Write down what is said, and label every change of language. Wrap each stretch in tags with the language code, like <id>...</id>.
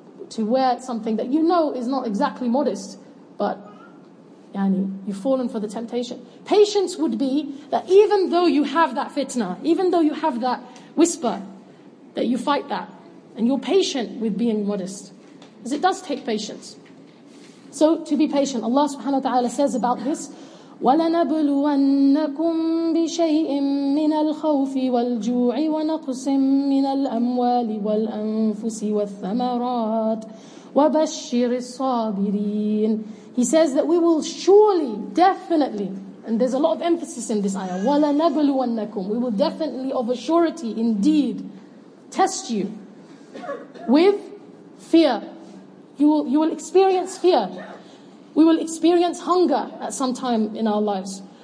<en>To wear something that you know is not exactly modest, but yani, you've fallen for the temptation. Patience would be that even though you have that fitna, even though you have that whisper, that you fight that, and you're patient with being modest. Because it does take patience. So to be patient, Allah subhanahu wa ta'ala says about this,</en> <ar>وَلَنَبْلُوَنَّكُمْ بِشَيْءٍ مِّنَ الْخَوْفِ وَالْجُوعِ وَنَقْصٍ مِّنَ الْأَمْوَالِ وَالْأَنفُسِ وَالثَّمَرَاتِ وَبَشِّرِ الصَّابِرِينَ.</ar> <en>He says that we will surely, definitely, and there's a lot of emphasis in this ayah,</en> <ar>وَلَنَبْلُوَنَّكُمْ,</ar> <en>we will definitely, of a surety, indeed, test you with fear. You will experience fear. We will experience hunger at some time in our lives.</en>